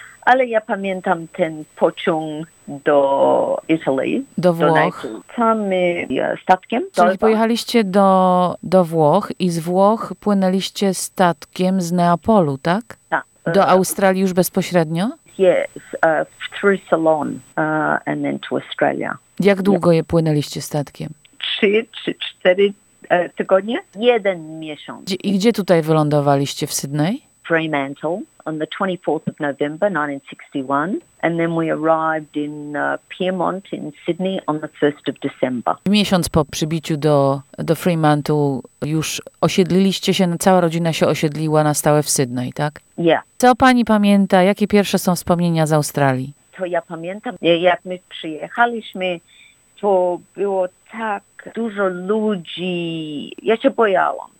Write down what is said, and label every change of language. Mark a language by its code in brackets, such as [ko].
[pl] Ale ja pamiętam ten pociąg do Italy. Do Włoch. Tam statkiem. Czyli pojechaliście do Włoch i z Włoch płynęliście statkiem z Neapolu, tak? Tak. Do Australii już bezpośrednio? [en] Yes, through Ceylon and then to Australia. [pl] Jak długo je płynęliście statkiem? 3 czy 4 tygodnie? 1 miesiąc. I gdzie tutaj wylądowaliście? W Sydney? [en] Fremantle, on the 24th of November 1961, and then we arrived in Pyrmont in Sydney on the 1st of December. [pl] Miesiąc po przybiciu do Fremantle już osiedliliście się, cała rodzina się osiedliła na stałe w Sydney, tak? [en] Yeah. [pl] Co pani pamięta, jakie pierwsze są wspomnienia z Australii? To ja pamiętam, jak my przyjechaliśmy, to było tak dużo ludzi, ja się bojałam.